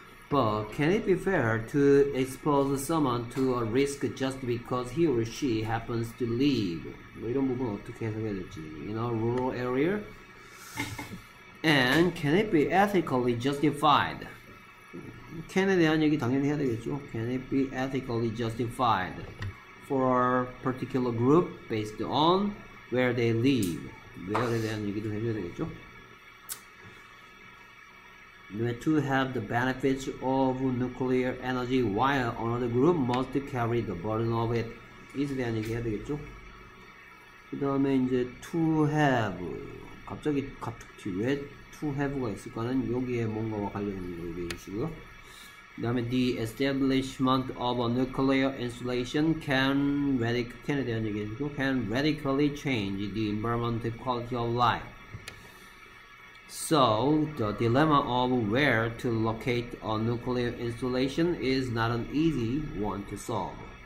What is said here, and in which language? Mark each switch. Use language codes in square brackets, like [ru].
[en] But can it be fair to expose someone to a risk just because he or she happens to live? [ko] 뭐 이런 부분 어떻게 해석해야 될지. [en] in a rural area. and can it be ethically justified? [ko] Can에 대한 얘기 당연히 해야 되겠죠. [en] Can it be ethically justified for a particular group based on where they live? [ko] Where에 대한 얘기도 해줘야 되겠죠. [en] To have the benefits of nuclear energy while another group must carry the burden of it. [ko] 이에 대한 얘기 해야 되겠죠. 그 다음에 이제 to have. 갑자기 왜 to have가 있을까는 여기에 뭔가와 관련된 걸 얘기해 주시고요. 그 다음에 [en] the establishment of a nuclear installation can radically change the environmental quality of life. So the dilemma of where to locate a nuclear installation is not an easy one to solve.